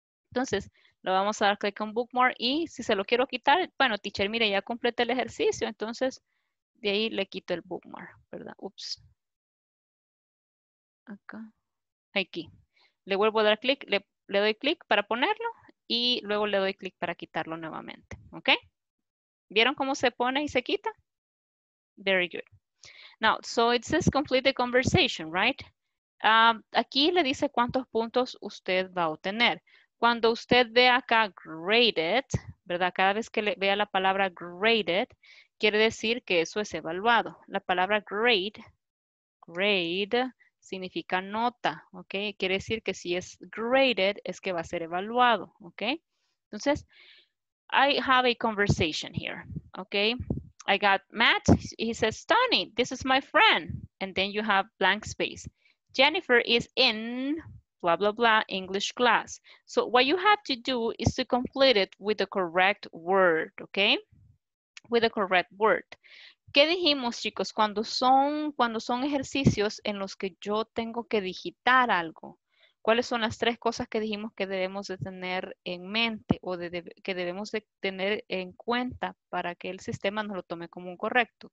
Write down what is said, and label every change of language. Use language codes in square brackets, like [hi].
[es] Entonces, le vamos a dar click on bookmark y si se lo quiero quitar, bueno, teacher, mire, ya completé el ejercicio, entonces de ahí le quito el bookmark, ¿verdad? Ups. Acá. Aquí. Le vuelvo a dar click, le doy click para ponerlo y luego le doy click para quitarlo nuevamente, ¿ok? ¿Vieron cómo se pone y se quita? [en] Very good. Now, so it says complete the conversation, right? [es] Aquí le dice cuántos puntos usted va a obtener. Cuando usted ve acá graded, ¿verdad? Cada vez que le vea la palabra graded, quiere decir que eso es evaluado. La palabra grade significa nota, ¿ok? Quiere decir que si es graded, es que va a ser evaluado, ¿ok? [en] Entonces, I have a conversation here, ¿ok? I got Matt, he says, Tony, this is my friend. And then you have blank space. Jennifer is in blah, blah, blah, English class. So what you have to do is to complete it with the correct word, okay? With the correct word. [es] ¿Qué dijimos, chicos? Cuando son ejercicios en los que yo tengo que digitar algo, ¿cuáles son las tres cosas que dijimos que debemos de tener en mente o que debemos de tener en cuenta para que el sistema nos lo tome como un correcto?